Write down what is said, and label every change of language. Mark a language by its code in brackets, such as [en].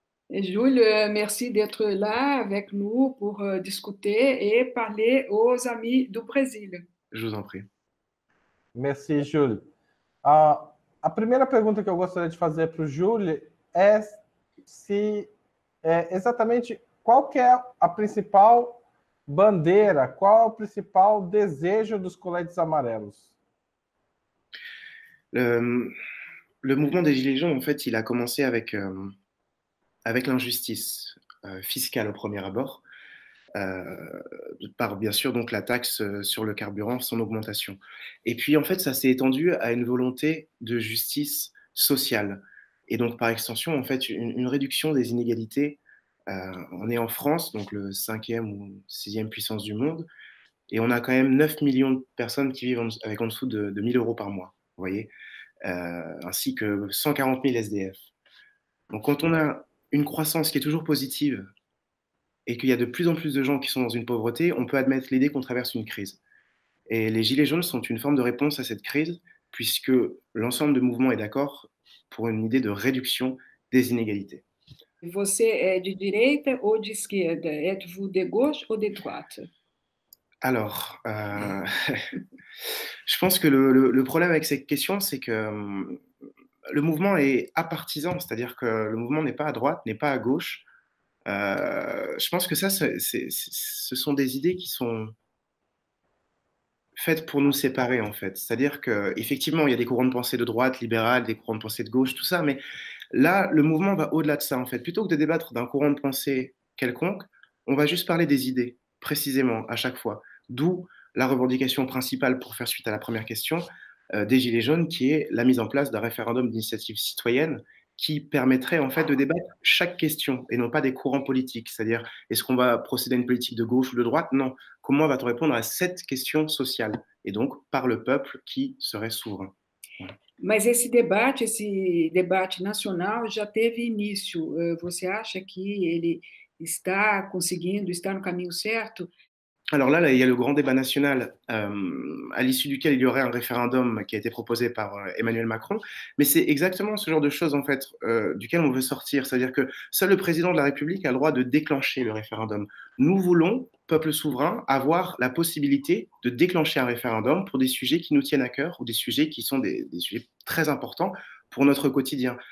[fr] Júlio, merci d'être là avec nous pour discuter et parler aux amis du Brésil. Je vous en prie. Merci, Jules. [pt] A primeira pergunta que eu gostaria de fazer para o Jules é se é exatamente qual que é a principal bandeira, qual é o principal desejo dos coletes amarelos? [fr] Le mouvement des Gilets jaunes, en fait, il a commencé avec l'injustice fiscale au premier abord, par bien sûr donc la taxe sur le carburant, son augmentation. Et puis en fait, ça s'est étendu à une volonté de justice sociale. Et donc par extension, en fait, une réduction des inégalités. On est en France, donc le cinquième ou sixième puissance du monde, et on a quand même 9 millions de personnes qui vivent avec en dessous de 1 000 euros par mois, vous voyez? Ainsi que 140 000 SDF. Donc, quand on a une croissance qui est toujours positive et qu'il y a de plus en plus de gens qui sont dans une pauvreté, on peut admettre l'idée qu'on traverse une crise. Et les Gilets jaunes sont une forme de réponse à cette crise, puisque l'ensemble de mouvements est d'accord pour une idée de réduction des inégalités. [pt] Você é de direita ou de esquerda? [fr] É de gauche ou de droite? Alors, je pense que le problème avec cette question, c'est que le mouvement est apartisan, c'est-à-dire que le mouvement n'est pas à droite, n'est pas à gauche. Je pense que ça, ce sont des idées qui sont faites pour nous séparer, en fait. C'est-à-dire qu'effectivement, il y a des courants de pensée de droite, libérale, des courants de pensée de gauche, tout ça, mais là, le mouvement va au-delà de ça, en fait. Plutôt que de débattre d'un courant de pensée quelconque, on va juste parler des idées, précisément, à chaque fois. D'où la revendication principale pour faire suite à la première question des Gilets jaunes, qui est la mise en place d'un référendum d'initiative citoyenne qui permettrait en fait de débattre chaque question et non pas des courants politiques. C'est-à-dire, est-ce qu'on va procéder à une politique de gauche ou de droite? Non. Comment va-t-on répondre à cette question sociale et donc par le peuple qui serait souverain? [pt] Mas esse debate nacional já teve início. Você acha que ele está conseguindo, está no caminho certo? [fr] Alors là, il y a le grand débat national à l'issue duquel il y aurait un référendum qui a été proposé par Emmanuel Macron. Mais c'est exactement ce genre de choses en fait duquel on veut sortir. C'est-à-dire que seul le président de la République a le droit de déclencher le référendum. Nous voulons, peuple souverain, avoir la possibilité de déclencher un référendum pour des sujets qui nous tiennent à cœur ou des sujets qui sont des sujets très importants pour notre quotidien.